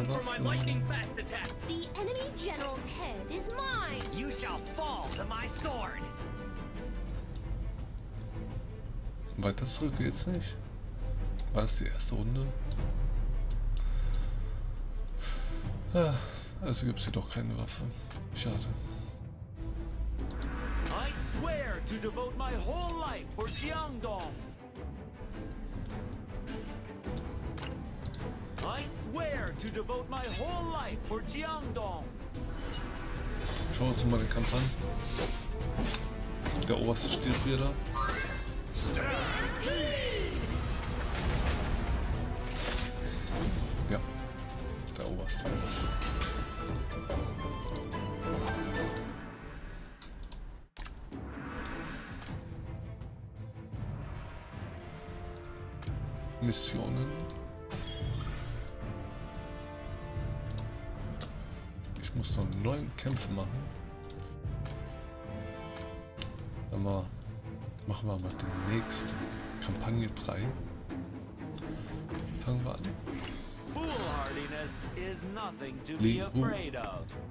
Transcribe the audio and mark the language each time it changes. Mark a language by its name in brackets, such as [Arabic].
[English] I'm known for my lightning fast attack. The enemy general's head is mine. You shall fall to my sword. [German] Weiter zurück geht's nicht. War das die erste Runde? Also gibt's hier doch keine Waffe. Schade. [English] I swear to devote my whole life for Jiangdong. I swear to devote my whole life for Jiangdong. [German] Schauen wir uns mal den Kampf an. Der oberste steht wieder da. Ja. Der oberste. Missionen. Ich muss noch 9 Kämpfe machen. Dann machen wir mal den nächsten. Kampagne 3. Fangen wir an. [English] Foolhardiness is nothing to be afraid of.